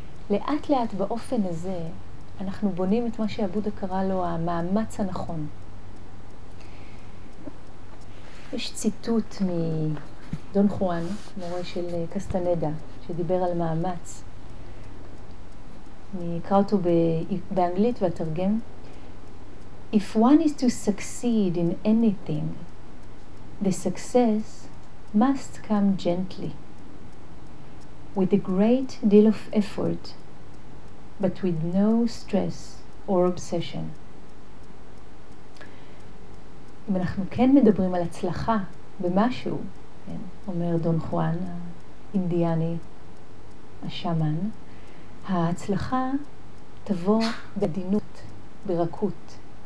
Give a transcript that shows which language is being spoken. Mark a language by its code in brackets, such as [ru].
[he] לאט לאט באופן הזה אנחנו בונים את מה שהבודה קרא לו המאמץ הנכון. יש ציטוט מדון חואן, מורה של קסטנדה, שדיבר על מאמץ. אני אקרא אותו באנגלית ואתרגם. [en] If one is to succeed in anything, the success must come gently, with a great deal of effort, but with no stress or obsession. [he] אם אנחנו כן מדברים על הצלחה במשהו, כן, אומר דון חואן, האינדיאני, השמן, ההצלחה תבוא בדינות, ברכות.